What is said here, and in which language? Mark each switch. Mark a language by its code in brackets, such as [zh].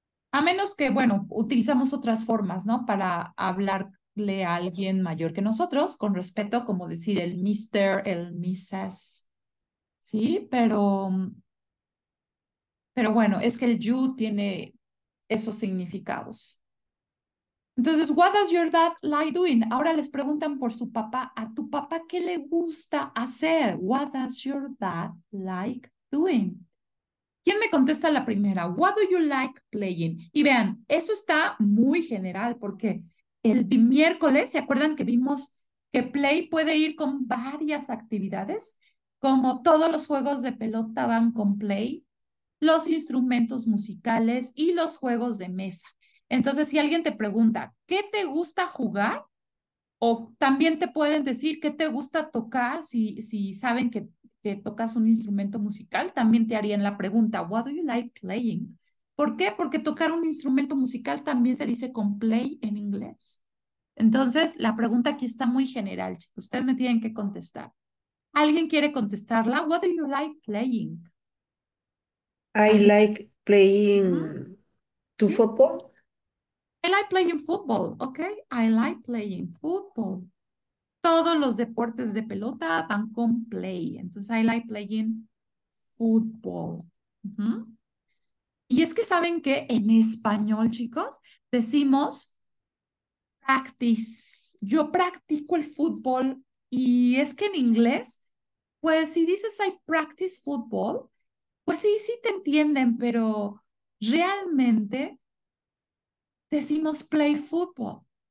[es] A menos que, bueno, utilizamos otras formas, ¿no? Para hablarle a alguien mayor que nosotros, con respeto, como decir el Mr., el Mrs., ¿sí? Pero bueno, es que el you tiene esos significados. Entonces, [en] what does your dad like doing? [es] Ahora les preguntan por su papá. ¿A tu papá qué le gusta hacer? [en] What does your dad like doing? [es] ¿Quién me contesta la primera? [en] What do you like playing? [es] Y vean, eso está muy general porque el miércoles, ¿se acuerdan que vimos que play puede ir con varias actividades? Como todos los juegos de pelota van con play, los instrumentos musicales y los juegos de mesa. Entonces, si alguien te pregunta, ¿qué te gusta jugar? O también te pueden decir, ¿qué te gusta tocar? Si saben que tocas un instrumento musical, también te harían la pregunta, [en] what do you like playing? [es] ¿Por qué? Porque tocar un instrumento musical también se dice con play en inglés. Entonces, la pregunta aquí está muy general, chicos. Ustedes me tienen que contestar. ¿Alguien quiere contestarla? [en] What do you like playing? I [es] ¿Alguien? [en] like playing to football. I like playing football, ¿ok? I like playing football. [es] Todos los deportes de pelota van con play. Entonces, [en] I like playing football. [es] Y es que saben que en español, chicos, decimos practice. Yo practico el fútbol. Y es que en inglés, pues si dices [en] I practice football, [es] pues sí, sí te entienden, pero realmente decimos [en] play football.